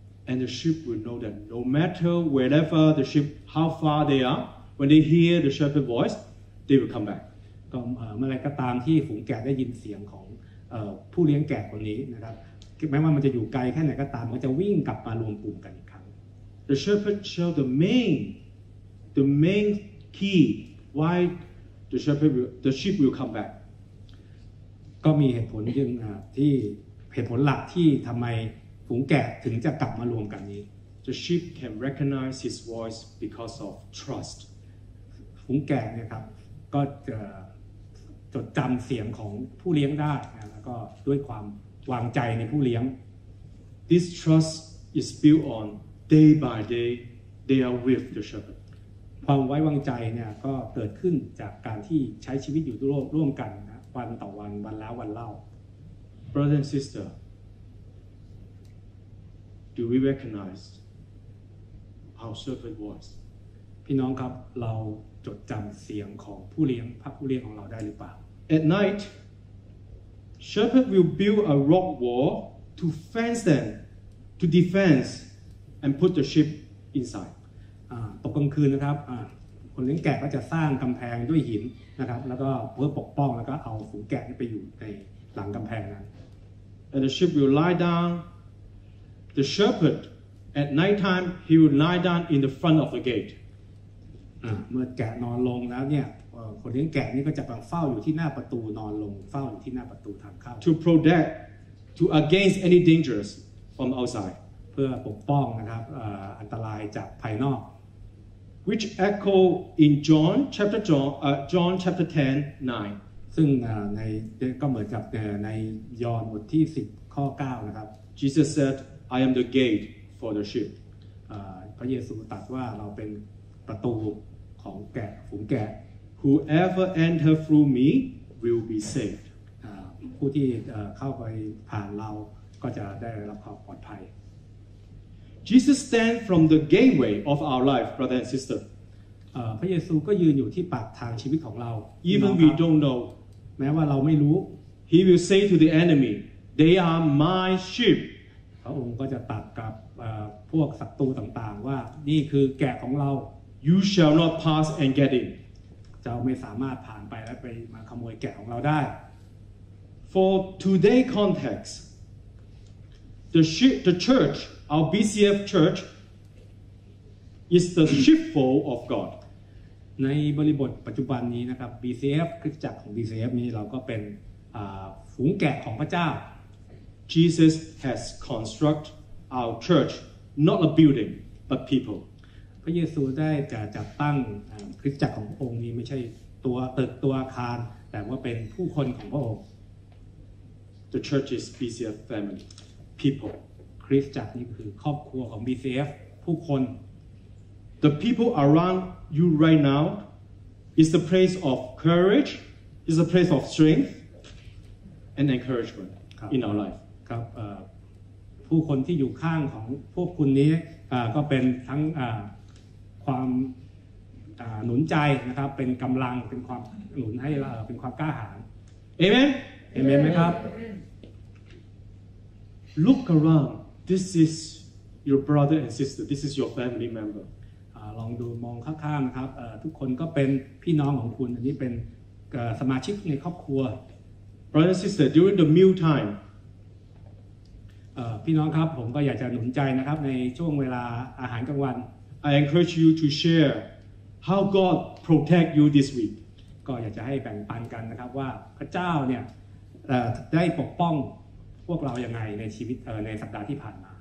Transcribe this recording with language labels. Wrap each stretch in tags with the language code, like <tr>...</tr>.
<en>And the sheep will know that no matter wherever the sheep how far they are when they hear the shepherd voice they will come back</en> <th>ก็เมื่อไรก็ตามที่ฝูงแกะได้ยินเสียงของผู้เลี้ยงแกะคนนี้นะครับแม้ว่ามันจะอยู่ไกลแค่ไหนก็ตามมันจะวิ่งกลับมารวมกลุ่มกันอีกครั้ง</th> <en>The shepherd shall the main key why the sheep will come back</en> <th>ก็มีเหตุผลยังที่เหตุผลหลักที่ทำไมฝูงแกะถึงจะกลับมารวมกันนี้</th> <en>The sheep can recognize his voice because of trust</en> <th>ฝูงแกะเนี่ยครับก็จะจดจำเสียงของผู้เลี้ยงได้แล้วก็ด้วยความวางใจในผู้เลี้ยง</th> <en>This trust is built on day by day they are with the shepherd</en> <th>ความไว้วางใจเนี่ยก็เกิดขึ้นจากการที่ใช้ชีวิตอยู่ร่วมกันนะวันต่อวันวันแล้ววันเล่า</th> <en>Brother and sister do we recognize our shepherd voice</en> <th>พี่น้องครับเราจดจำเสียงของผู้เลี้ยงพระผู้เลี้ยงของเราได้หรือเปล่า</th> <en>At night shepherd will build a rock wall to fence them to defense and put the sheep inside</en> <th>ตกกลางคืนนะครับคนเลี้ยงแกะก็จะสร้างกำแพงด้วยหินนะครับแล้วก็เพื่อปกป้องแล้วก็เอาฝูงแกะไปอยู่ในหลังกำแพงนั้น</th> <en>And the sheep will lie down the shepherd at night time he will lie down in the front of the gate</en> <th>เมื่อแกะนอนลงแล้วเนี่ยคนเลี้ยงแกะนี่ก็จะไปเฝ้าอยู่ที่หน้าประตูนอนลงเฝ้าอยู่ที่หน้าประตูทางเข้า</th> <en>to protect to against any dangers from outside</en> <th>เพื่อปกป้องนะครับอันตรายจากภายนอก</th> <en>which echo in John chapter 10:9</en> <th>ซึ่งในก็เหมือนกับในยอห์นบทที่10ข้อ9นะครับ</th> <en>Jesus said I am the gate for the sheep</en> <th>พระเยซูตรัสว่าเราเป็นประตูของแกะฝูงแกะ</th> <en>whoever enter through me will be saved</en> <th>ผู้ที่เข้าไปผ่านเราก็จะได้รับความปลอดภัย</th> <en>Jesus stand from the gateway of our life brother and sister</en> <th>พระเยซูก็ยืนอยู่ที่ปากทางชีวิตของเรา</th> <en>even we don't know</en> <th>แม้ว่าเราไม่รู้</th> <en>he will say to the enemy they are my sheep</en> <th>พระองค์ก็จะตรัสกับพวกศัตรูต่างๆว่านี่คือแกะของเรา</th> <en>you shall not pass and get in</en> <th>เจ้าไม่สามารถผ่านไปและไปมาขโมยแกะของเราได้</th> <en>for today context the churchOur BCF church is the sheepfold of God.</en> <th>ในบริบทปัจจุบันนี้นะครับ BCF คริสตจักรของ BCF นี้เราก็เป็นฝูงแกะของพระเจ้า</th> <en>Jesus has construct our church not a building but people.</en> <th>พระเยซูได้จัดตั้งคริสตจักรขององค์นี้ไม่ใช่ตัวตึกตัวอาคารแต่ว่าเป็นผู้คนของพระองค์</th> <en>The church is BCF family people.</en> <th>คริสตจักรนี่คือครอบครัวของ BCF ผู้คน</th> <en>The people around you right now is the place of courage is a place of strength and encouragement in our life</en> <th>ครับผู้คนที่อยู่ข้างของพวกคุณนี้ก็เป็นทั้งความหนุนใจนะครับเป็นกำลังเป็นความหนุนให้เป็นความกล้าหาญ เอเมน เอเมนมั้ยครับ</th> <en>Look aroundThis is your brother and sister. This is your family member.</en> <th>ลองดูมองข้างๆนะครับทุกคนก็เป็นพี่น้องของคุณอันนี้เป็นสมาชิกในครอบครัว</th> <en>Brother and sister, during the meal time.</en> <th>พี่น้องครับผมก็อยากจะหนุนใจนะครับในช่วงเวลาอาหารกลางวัน</th> <en>I encourage you to share how God protect you this week.</en> <th>ก็อยากจะให้แบ่งปันกันนะครับว่าพระเจ้าเนี่ยได้ปกป้องพวกเรายังไงในชีวิตในสัปดาห์ที่ผ่านมา</th>